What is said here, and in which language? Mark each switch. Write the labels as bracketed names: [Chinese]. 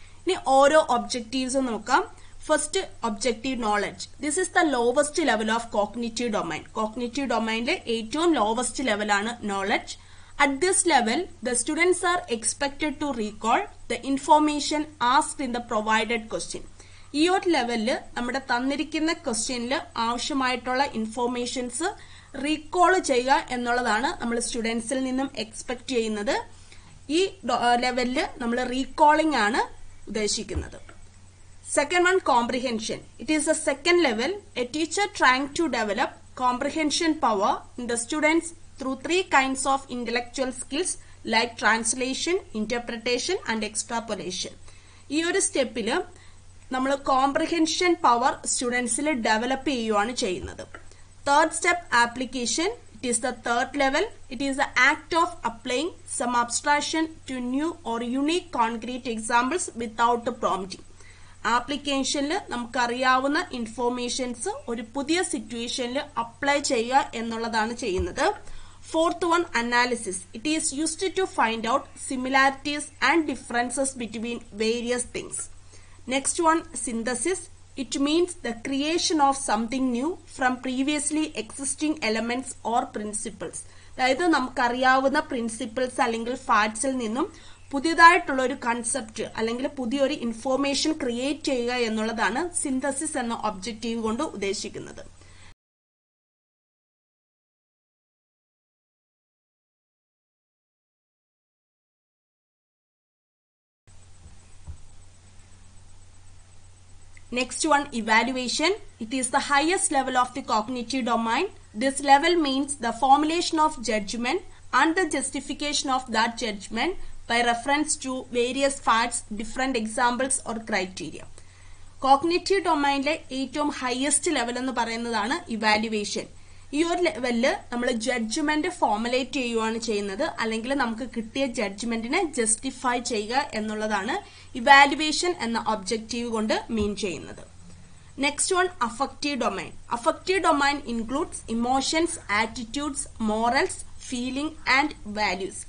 [Malayalam] Ini ore objectives nokkam. [English] First objective knowledge. This is the lowest level of cognitive domain. [Malayalam] Cognitive domain le ethom lowest level aanu knowledge. [English] At this level, the students are expected to recall the information asked in the provided question. [Malayalam] ഈ ഒരു ലെവലിൽ നമ്മുടെ തന്നിരിക്കുന്ന ക്വസ്റ്റ്യനിൽ ആവശ്യമായിട്ടുള്ള informations recall ചെയ്യുക എന്നുള്ളതാണ് നമ്മൾ സ്റ്റുഡൻസിൽ നിന്നും എക്സ്പെക്ട് ചെയ്യുന്നത്. ഈ ലെവലിൽ നമ്മൾ റീകോളിംഗ് ആണ് ഉദ്ദേശിക്കുന്നത്. [English] Second one, comprehension. It is a second level. A teacher trying to develop comprehension power in the students through three kinds of intellectual skills like translation, interpretation and extrapolation. [Malayalam] ഈ ഒരു സ്റ്റെപ്പിൽ നമ്മൾ കോംപ്രിഹെൻഷൻ പവർ സ്റ്റുഡൻസിൽ ഡെവലപ്പ് ചെയ്യുകയാണ് ചെയ്യുന്നത്. [English] Third step, application. It is the third level. It is the act of applying some abstraction to new or unique concrete examples without prompting. [Malayalam] ആപ്ലിക്കേഷനിൽ നമുക്കറിയാവുന്ന informations ഒരു പുതിയ സിറ്റുവേഷനിൽ അപ്ലൈ ചെയ്യുക എന്നുള്ളതാണ് ചെയ്യുന്നത്. [English] Fourth one, analysis. It is used to find out similarities and differences between various things. Next one, synthesis. It means the creation of something new from previously existing elements or principles. [Malayalam] അതായത് നമുക്കറിയാവുന്ന principles അല്ലെങ്കിൽ ഫാക്ട്സിൽ നിന്നും പുതിയതായിട്ടുള്ള ഒരു concept അല്ലെങ്കിൽ പുതിയൊരു information create ചെയ്യുക എന്നുള്ളതാണ് synthesis എന്ന ഒബ്ജക്റ്റീവ് കൊണ്ട് ഉദ്ദേശിക്കുന്നത്. [English] Next one, evaluation. It is the highest level of the cognitive domain. This level means the formulation of judgment and the justification of that judgment by reference to various facts, different examples or criteria. [Malayalam] Cognitive domain le ethom highest level ennu parayunnathana evaluation. ഈ ഒരു ലെവലില് നമ്മൾ judgement formulate ചെയ്യുകയാണ് ചെയ്യുന്നത്, അല്ലെങ്കിൽ നമുക്ക് കിട്ടിയ ജഡ്ജ്മെന്റിനെ justify ചെയ്യുക എന്നുള്ളതാണ് ഇവാലുവേഷൻ എന്ന ഒബ്ജക്റ്റീവ് കൊണ്ട് മീൻ ചെയ്യുന്നത്. [English] Next one affective domain. Affective domain includes emotions, attitudes, morals, feeling and values.